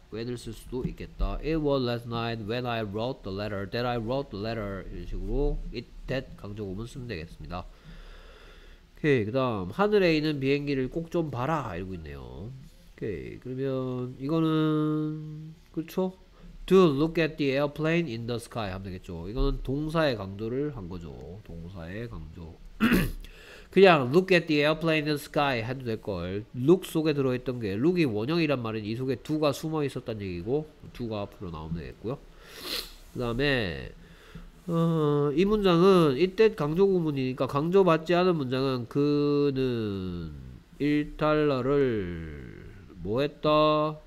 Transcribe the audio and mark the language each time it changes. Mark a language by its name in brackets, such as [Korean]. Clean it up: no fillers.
[Korean] when을 쓸 수도 있겠다. [English] It was last night when I wrote the letter that I wrote the letter [Korean] 이런 식으로 [English] it that [Korean] 강조구문 쓰면 되겠습니다. 오케이, 그 다음 하늘에 있는 비행기를 꼭좀 봐라 이러고 있네요. 오케이, 그러면 이거는 그렇죠? [English] To look at the airplane in the sky [Korean] 하면 되겠죠. 이거는 동사의 강조를 한 거죠. 동사의 강조. 그냥 [English] look at the airplane in the sky [Korean] 해도 될 걸. look 속에 들어있던 게 look이 원형이란 말은 이 속에 do가 숨어 있었단 얘기고 do가 앞으로 나오면 되겠고요. 그다음에 이 문장은 it that 강조 구문이니까 강조받지 않은 문장은 그는 1달러를 뭐 했다?